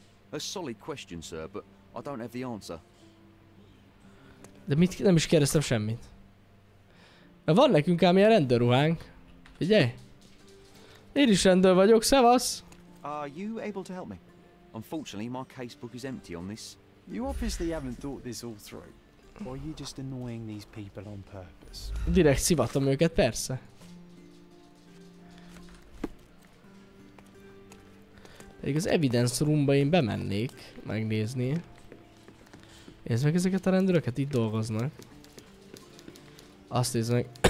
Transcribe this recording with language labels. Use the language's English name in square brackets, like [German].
[English] A solid question, sir, but I don't have the answer. [Hungarian] De mit nem is kérdeztem semmit. Van nekünk ám ilyen rendőrruhánk. Figyelj! Én is rendőr vagyok, szevasz! [English] Are you able to help me? Unfortunately, my casebook is empty on this. You obviously haven't thought this all through. Or are you just annoying these people on purpose? [Hungarian] Direkt szivatom őket, persze. Pedig az evidence roomba én bemennék megnézni. Nézd meg ezeket a rendőröket, itt dolgoznak. Azt nézd meg.